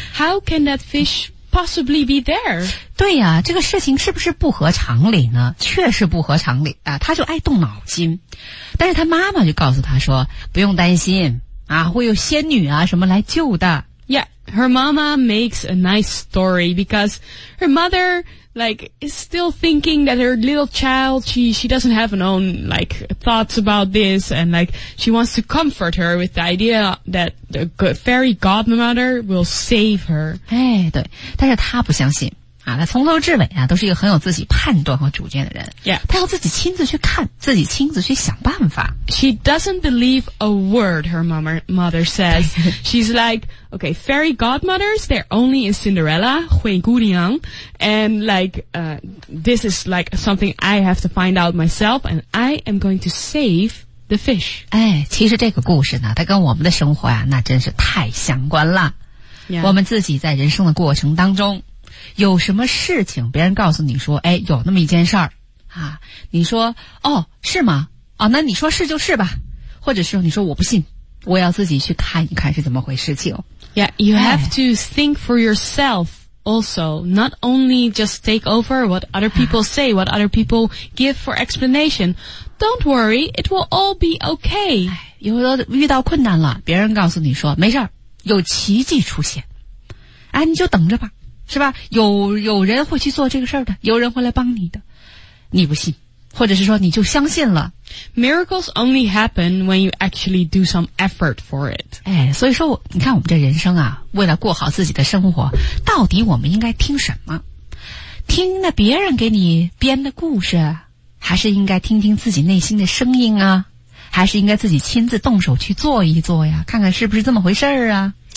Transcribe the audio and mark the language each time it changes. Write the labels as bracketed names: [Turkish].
[English] How can that fish possibly be there? [Chinese] 对呀、啊、这个事情是不是不合常理呢？确实不合常理啊，他就爱动脑筋。但是他妈妈就告诉他说，不用担心啊，会有仙女啊什么来救的。 [English] Yeah, her mama makes a nice story because her mother, like, is still thinking that her little child, she doesn't have an own, like, thoughts about this and, like, she wants to comfort her with the idea that the fairy godmother will save her. [Chinese] 哎，对，但是她不相信。啊，他从头至尾啊，都是一个很有自己判断和主见的人。 [English] Yeah. [Chinese] 他要自己亲自去看，自己亲自去想办法。 [English] She doesn't believe a word her mother says. She's like, okay, fairy godmothers, they're only in Cinderella, 灰姑娘, and like, this is like something I have to find out myself, and I am going to save... The fish. [Chinese] 哎，其实这个故事呢，它跟我们的生活啊，那真是太相关了。 [English] Yeah. [Chinese] 我们自己在人生的过程当中有什么事情别人告诉你说哎，有那么一件事儿啊，你说哦是吗啊、哦、那你说是就是吧，或者是你说我不信，我要自己去看一看是怎么回事情。 [English] Yeah, you have to think for yourself also, not only just take over what other people say, what other people give for explanation. Don't worry, it will all be okay. [Chinese] 有的遇到困难了，别人告诉你说没事儿，有奇迹出现，哎，你就等着吧，是吧？有人会去做这个事儿的，有人会来帮你的。你不信，或者是说你就相信了。 [English] Miracles only happen when you actually do some effort for it. [Chinese] 哎，所以说你看我们这人生啊，为了过好自己的生活，到底我们应该听什么？听那别人给你编的故事，还是应该听听自己内心的声音啊？还是应该自己亲自动手去做一做呀，看看是不是这么回事啊？